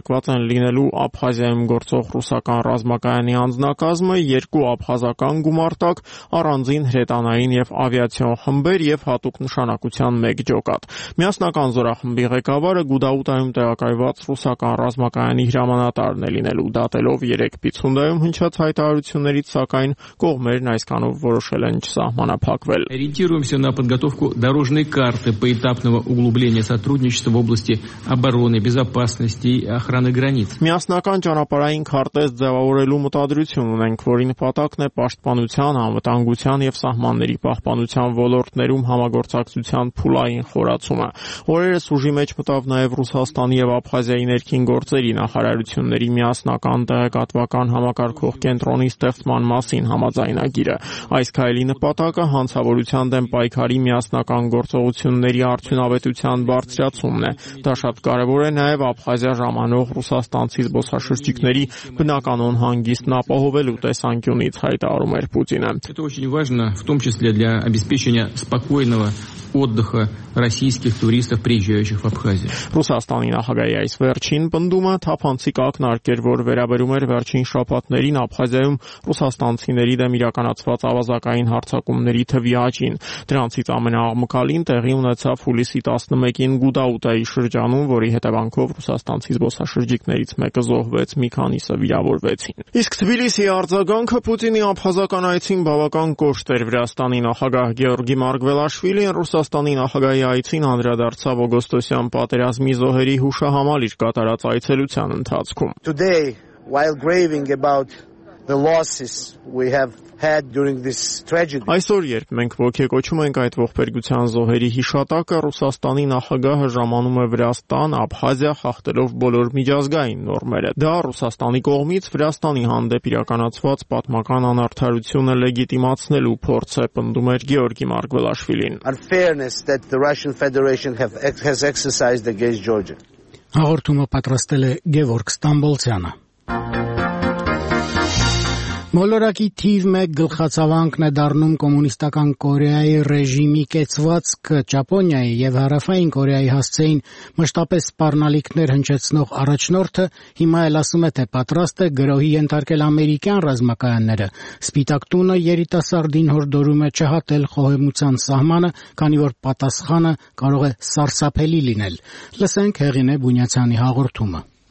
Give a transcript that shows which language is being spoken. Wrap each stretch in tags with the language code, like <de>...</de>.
<hy>ընդգրկված են լինելու Աբխազիայում գործող ռուսական ռազմակայանի անձնակազմը, երկու աբխազական գումարտակ, առանձին հրետանային և ավիացիոն խմբեր և հատուկ նշանակության մեկ ջոկատ։ Միասնական զորախմբի ղեկավարը Գուդաուտայում տեղակայված ռուսական ռազմակայանի հրամանատարն է լինելու, դատելով 3-5-ում հնչած հայտարարություններից, սակայն կողմերն այսքանով որոշել են չսահմանափակվել։</hy> <ru>Сотрудничество в области обороны, безопасности и охраны границ.</ru> <hy>Միասնական ճանապարհային քարտեզ ձևավորելու մտադրություն ունենք, որի նպատակն է պաշտպանության, անվտանգության և սահմանների պահպանության ոլորտներում համագործակցության փուլային խորացումը։ Օրերս ուժի մեջ մտավ նաև Ռուսաստանի և Աբխազիայի ներքին գործերի նախարարությունների միասնական տեղեկատվական համակարգող կենտրոնի ստեղծման մասին համաձայնագիրը։ Այս քայլի նպատակը հանցավորության դեմ պայքարի միասնական գործողությունների արդյունավետության բարձրացումն է։ Դա շատ կարևոր է նաև Աբխազիա ժամանող ռուսաստանցի զբոսաշրջիկների բնականոն հանգիստն ապահովելու տեսանկյունից, հայտարարում էր Պուտինը։</hy> <ru>Это очень важно, в том числе для обеспечения спокойного отдыха российских туристов, приезжающих в Абхазию.</ru> <hy>Ռուսաստանի նախագահի այս վերջին պնդումը թափանցիկ ակնարկեր, որ վերաբերում էր վերջին շաբաթներին Աբխազիայում ռուսաստանցիների դեմ իրականացված ավազակային հարձակումների թվի աճին։ Դրանցից ամենաաղմկալին տեղի ունեցավ հուլիսի 11-ին Գուդաուտայի շրջանում, որի հետևանքով ռուսաստանցի զբոսաշրջիկներից մեկը զոհվեց, մի քանիսը վիրավորվեցին։ Իսկ Թբիլիսի արձագանքը Պուտինի աբխազական այցին բավական կոշտ էր։ Վրաստանի նախագահ Գեորգի Մարգվելաշվիլի Ռուսաստանի նախագահի այցին անդրադարձավ օգոստոսյան պատերազմի զոհերի հուշահամալ իր կատարած այցելության ընթացքում։</hy> <en>Today, while grieving about the losses we have had during this tragedy.</en> <hy>Այսօր, երբ մենք ոգեկոչում ենք այդ ողբերգության զոհերի հիշատակը, Ռուսաստանի նախագահը ժամանում է Վրաստան, Աբխազիա խախտելով բոլոր միջազգային նորմերը։ Դա Ռուսաստանի կողմից Վրաստանի հանդեպ իրականացված պատմական անարդարությունը լեգիտիմացնելու փորձ է, պնդում էր Գեորգի Մարգվելաշվիլին։</hy> <en>Unfairness that the Russian Federation has exercised against Georgia.</en> <hy>Հաղորդումը պատրաստել է Գևորգ Ստամբոլցյանը։ Մոլորակի թիվ մեկ գլխացավանքն է դառնում կոմունիստական Կորեայի ռեժիմի կեցվածքը Ճապոնիայի և Հարավային Կորեայի հասցեին մշտապես սպառնալիքներ հնչեցնող առաջնորդը հիմա էլ ասում է, թե պատրաստ է գրոհի ենթարկել ամերիկյան ռազմակայանները։ Սպիտակ տունը երիտասարդին հորդորում է չհատել խոհեմության սահմանը, քանի որ պատասխանը կարող է սարսափելի լինել։ Լսենք Հեղինե Բունյացյանի հաղորդումը։</hy>